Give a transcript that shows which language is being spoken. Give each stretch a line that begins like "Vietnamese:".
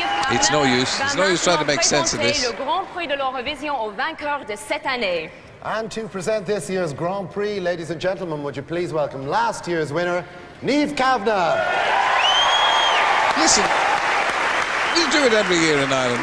English: It's no use. It's no use trying to make sense of this.
French: Le Grand Prix de l'Eurovision au vainqueur de cette année.
English: And to present this year's Grand Prix, ladies and gentlemen, would you please welcome last year's winner, Niamh Kavanagh. Listen, you do it every year in Ireland.